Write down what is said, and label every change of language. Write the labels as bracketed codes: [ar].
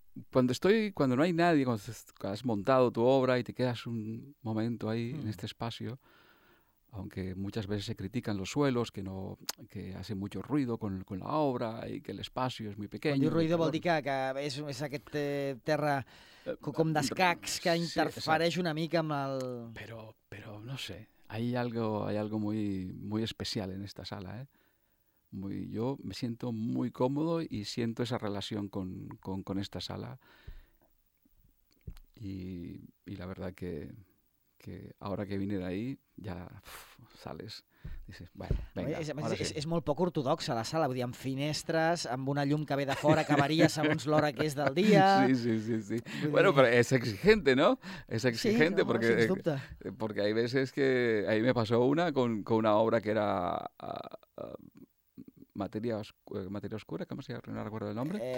[es] Cuando no hay nadie, cuando has montado tu obra y te quedas un momento ahí en este espacio, aunque muchas veces se critican los suelos, que hace mucho ruido con la obra y que el espacio es muy pequeño. Cuando ruido [ca] vol dir que és aquest terra com d'escacs que interfereix una mica amb el... [es] Pero no sé, hay algo muy, muy especial en esta sala, ¿eh? Yo me siento muy cómodo y siento esa relación con esta sala y la verdad que ahora que vine de ahí ya sales, dices, bueno, venga. [ca] És molt poc ortodoxa la sala, vull dir, amb finestres, amb una llum que ve de fora, que varia segons l'hora que és del dia. Sí. Bueno, però és exigente, ¿no? És exigente, sí, perquè, sens dubte. [es] Perquè hay veces que ahí me pasó una con una obra que era... [ca] Materia Oscura, com es diu? No recordo [es] el nombre.